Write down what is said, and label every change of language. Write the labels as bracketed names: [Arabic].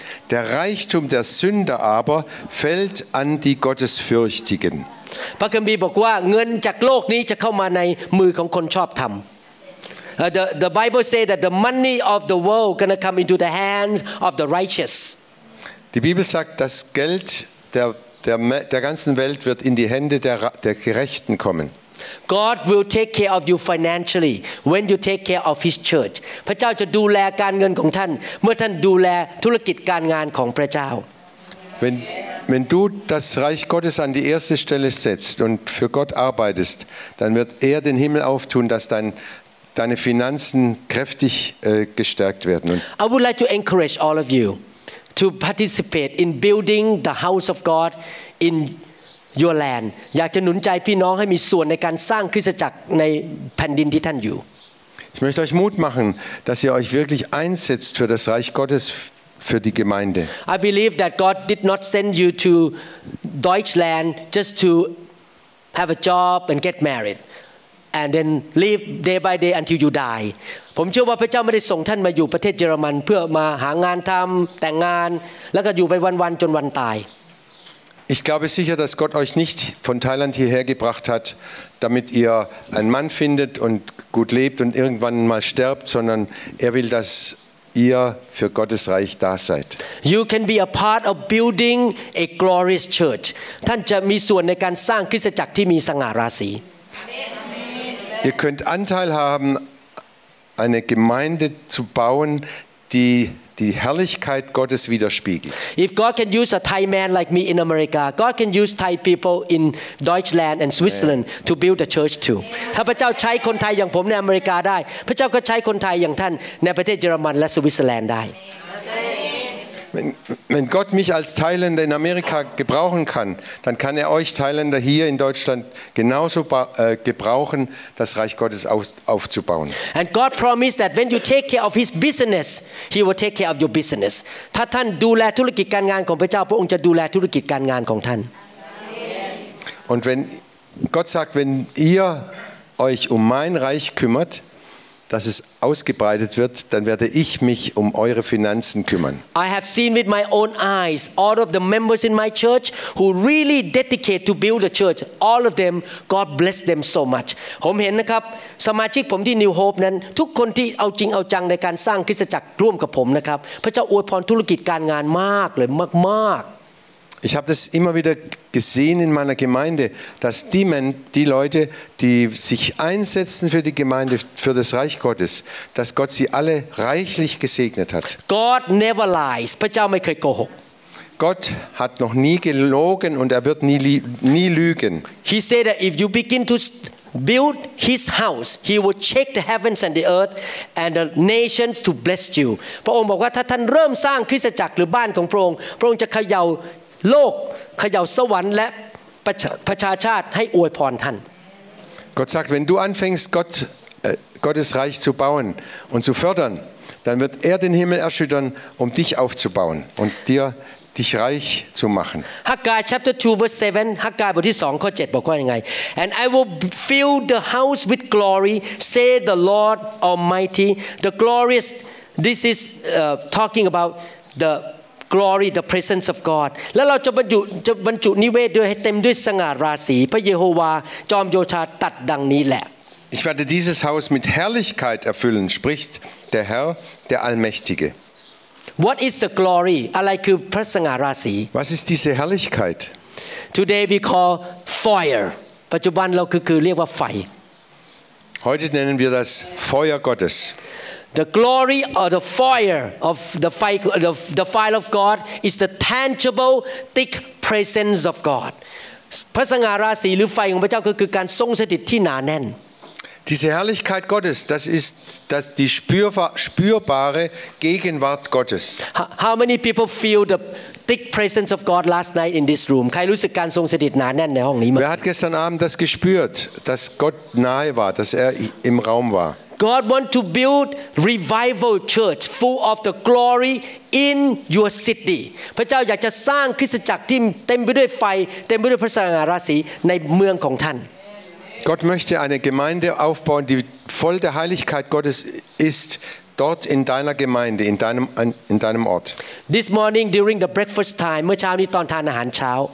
[German] Der Reichtum der Sünder aber fällt an die Gottesfürchtigen. [Thai] พระคัมภีร์บอกว่าเงินจากโลกนี้จะเข้ามาในมือของคนชอบธรรม [English] The Bible says that the money of the world gonna come into the hands of the righteous. [German] Die Bibel sagt, das Geld der ganzen Welt wird in die Hände der Gerechten kommen. [English] God will take care of you financially when you take care of His church. [Thai] พระเจ้าจะดูแลการเงินของท่านเมื่อท่านดูแลธุรกิจการงานของพระเจ้า [German] Wenn du das Reich Gottes an die erste Stelle setzt und für Gott arbeitest, dann wird den Himmel auftun, dass deine Finanzen kräftig gestärkt werden. [English] I would like to encourage all of you to participate in building the house of God in your land. [Thai] อยากจะหนุนใจพี่น้องให้มีส่วนในการสร้างคริสตจักรในแผ่นดินที่ท่านอยู่ [German] Ich möchte euch Mut machen, dass ihr euch wirklich einsetzt für das Reich Gottes. Für die Gemeinde. [English] I believe that God did not send you to Deutschland just to have a job and get married and then live day by day until you die. [Thai] ผมเชื่อว่าพระเจ้าไม่ได้ส่งท่านมาอยู่ประเทศเยอรมันเพื่อมาหางานทำแต่งงานแล้วก็อยู่ไปวันๆจนวันตาย [German] Ich glaube sicher, dass Gott euch nicht von Thailand hierher gebracht hat, damit ihr einen Mann findet und gut lebt und irgendwann mal sterbt, sondern will das. Ihr für Gottes Reich da seid. [English] You can be a part of building a glorious church. [Thai] ท่านจะมีส่วนในการสร้างคริสตจักรที่มีสง่าราศี [German] Ihr könnt Anteil haben, eine Gemeinde zu bauen, die Herrlichkeit Gottes widerspiegelt. [English] If God can use a Thai man like me in America, God can use Thai people in Deutschland and Switzerland to build a church too. [Thai] ถ้าพระเจ้าใช้คนไทยอย่างผมในอเมริกาได้พระเจ้าก็ใช้คนไทยอย่างท่านในประเทศเยอรมันและสวิตเซอร์แลนด์ได้ [German] Wenn Gott mich als Thailänder in Amerika gebrauchen kann, dann kann euch Thailänder hier in Deutschland genauso gebrauchen, das Reich Gottes aufzubauen. [English] And God promised that when you take care of His business, He will take care of your business. [Thai] ถ้าท่านดูแลธุรกิจการงานของพระเจ้าพระองค์จะดูแลธุรกิจการงานของท่าน [German] Und wenn Gott sagt, wenn ihr euch mein Reich kümmert, dass es ausgebreitet wird, dann werde ich mich um eure Finanzen kümmern. [English] I have seen with my own eyes all of the members in my church who really dedicate to build the church. All of them, God bless them so much. [Thai] ผมเห็นนะครับสมาชิกผมที่ New Hope นั้นทุกคนที่เอาจริงเอาจังในการสร้างคริสตจักรร่วมกับผมนะครับพระเจ้าอวยพรธุรกิจการงานมากเลยมากๆ [German] Ich habe das immer wieder gesehen in meiner Gemeinde, dass die Leute, die sich einsetzen für die Gemeinde, für das Reich Gottes, dass Gott sie alle reichlich gesegnet hat. [English] God never lies. [Thai] พระเจ้าไม่เคยโกหก [German] Gott hat noch nie gelogen und er wird nie lügen. [English] He said that if you begin to build his house, he will check the heavens and the earth and the nations to bless you. [Thai] พระองค์บอกว่าถ้าท่านเริ่มสร้างคริสตจักรหรือบ้านของพระองค์จะเขย่าโลกเขย่าสวรรค์และประชาชาติให้อวยพรท่าน [German] Gott sagt, wenn du anfängst, Gottes Reich zu bauen und zu fördern, dann wird den Himmel erschüttern, dich aufzubauen und dich reich zu machen. [English] Haggai chapter 2 verse 7, Haggai [Thai] บทที่2ข้อ7บอกว่ายังไง [English] And I will fill the house with glory, say the Lord Almighty. The glorious, this is talking about theglory the presence of God [Thai] แล้วเราจะบรรจุนิเวศด้วยให้เต็มด้วยสง่าราศีพระเยโฮวาจอมโยชาตัดดังนี้แหละ [German] Ich werde dieses Haus mit Herrlichkeit erfüllen spricht der Herr der Allmächtige [English] What is the glory [Thai] อะไรคือพระสง่าราศี [German] Was ist diese Herrlichkeit [English] Today we call fire [Thai] ปัจจุบันเราคือเรียกว่าไฟ [German] Heute nennen wir das Feuer Gottes [English] The glory or the fire of the fire of God is the tangible, thick presence of God. [Thai] พระสง่าราศีหรือไฟของพระเจ้าคือการทรงสถิตที่หนาแน่น [German] Diese Herrlichkeit Gottes, das ist das die spürbare Gegenwart Gottes. [English] How many people feel the thick presence of God last night in this room? [Thai] ใครรู้สึกการทรงสถิตหนาแน่นในห้องนี้มั้ย [German] Wer hat gestern Abend das gespürt, dass Gott nahe war, dass im Raum war? [English] God wants to build revival church full of the glory in your city. [Thai] พระเจ้าอยากจะสร้างคริสตจักรที่เต็มไปด้วยไฟเต็มไปด้วยพระสง่าราศีในเมืองของท่าน [German] Gott möchte eine Gemeinde aufbauen, die voll der Heiligkeit Gottes ist dort in deiner Gemeinde, in deinem Ort. [English] This morning during the breakfast time, [Thai] เมื่อเช้านี้ตอนทานอาหารเช้า